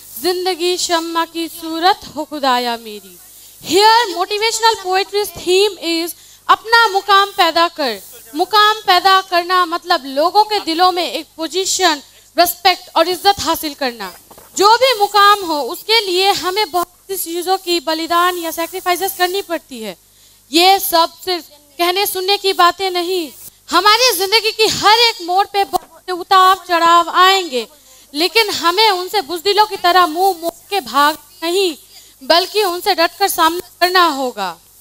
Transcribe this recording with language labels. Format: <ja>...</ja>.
<hi>जिंदगी शम्मा की सूरत हो खुदाया मेरी।</hi> <en>Here motivational poetry's theme is</en> <hi>अपना मुकाम पैदा कर। मुकाम पैदा करना मतलब लोगों के दिलों में एक पोजीशन, रेस्पेक्ट और इज्जत हासिल करना। जो भी मुकाम हो उसके लिए हमें बहुत सी चीज़ों की बलिदान या सेक्रीफाइसेस करनी पड़ती है। ये सब सिर्फ कहने सुनने की बातें नहीं, हमारी ज़िंदगी की हर एक मोड़ पे बहुत उतार चढ़ाव आएंगे, लेकिन हमें उनसे बुजदिलों की तरह मुंह मोड़ के भाग नहीं बल्कि उनसे डटकर सामना करना होगा।</hi>